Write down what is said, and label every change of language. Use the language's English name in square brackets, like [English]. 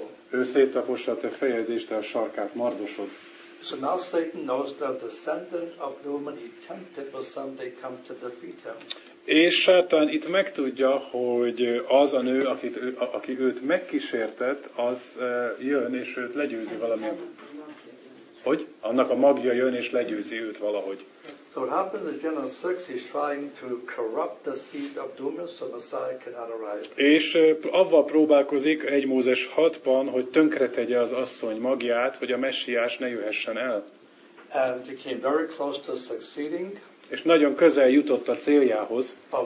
[Hungarian] Ő széttapossa a te fejed és te a sarkát mardosod. [English] So now Satan knows that the descendant of the woman he tempted will someday come to defeat him. [Hungarian] És Sátán itt megtudja, hogy az a nő, akit, aki őt megkísértett, az jön és őt legyőzi valamilyen. Hogy? Annak a magja jön és legyőzi őt valahogy. [English] So what happens in Genesis 6, he's trying to corrupt the seed of Dumas so Messiah cannot arrive. [Hungarian] És avval próbálkozik egy Mózes 6-ban, hogy tönkretegye az asszony magját, hogy a messiás ne jöhessen el. [English] And he came very close to succeeding. [Hungarian] És nagyon közel jutott a céljához.